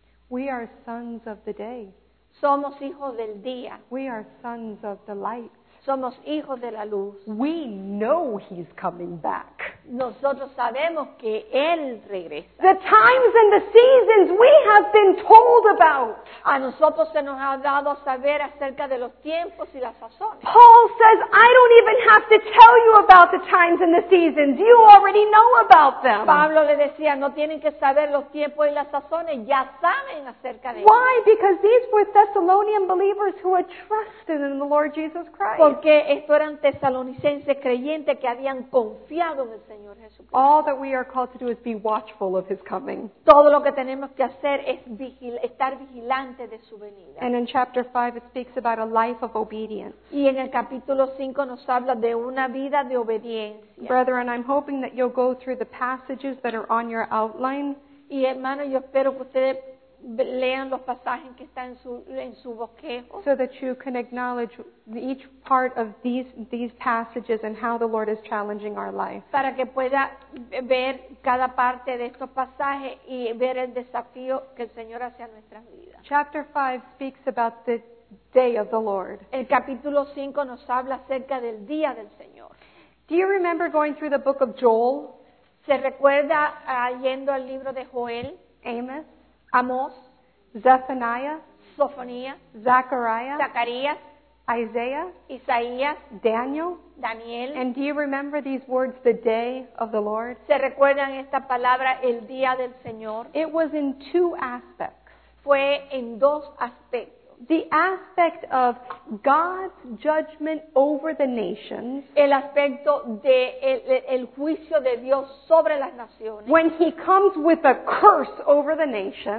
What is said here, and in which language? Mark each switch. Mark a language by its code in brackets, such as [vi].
[en] We are sons of the day. [es] Somos hijos del día. [en] We are sons of the light. [es] Somos hijos de la luz. [en] We know He's coming back. [es] Nosotros sabemos que Él regresa. [en] The times and the seasons we have been told about. [es] A nosotros se nos ha dado saber acerca de los tiempos y las sazones. [en] Paul says, I don't even have to tell you about the times and the seasons. You already know about them. [es] Pablo le decía, no tienen que saber los tiempos y las sazones. Ya saben acerca de ellos. [en] Why? Because these were Thessalonian believers who had trusted in the Lord Jesus Christ. [es] Porque estos eran tesalonicenses creyentes que habían confiado en el Señor Jesucristo. [en] All that we are called to do is be watchful of His coming. [es] Todo lo que tenemos que hacer es estar vigilante de su venida. [en] And in chapter 5 it speaks about a life of obedience. [es] Y en el capítulo 5 nos habla de una vida de obediencia. [en] Brethren, I'm hoping that you'll go through the passages that are on your outline. [es] Y hermano, yo espero que ustedes lean los pasajes que están en su bosquejo. [en] So that you can acknowledge each part of these passages and how the Lord is challenging our life. [es] Para que pueda ver cada parte de estos pasajes y ver el desafío que el Señor hace a nuestras vidas. [en] Chapter 5 speaks about the day of the Lord. [es] El capítulo 5 nos habla acerca del día del Señor. [en] Do you remember going through the book of Joel? [es] ¿Se recuerda yendo al libro de Joel? [en] Amos. [es] Amos, [en] Zephaniah, [es] Sofonía, [en] Zachariah, [es] Zacarías, [en] Isaiah, [es] Isaías, [en] Daniel. And do you remember these words, the day of the Lord? [es] ¿Se recuerdan esta palabra, el día del Señor? [en] It was in two aspects. [es] Fue en dos aspectos. [en] The aspect of God's judgment over the nations. [es] El aspecto de el juicio de Dios sobre las naciones. [en] When He comes with a curse over the nations.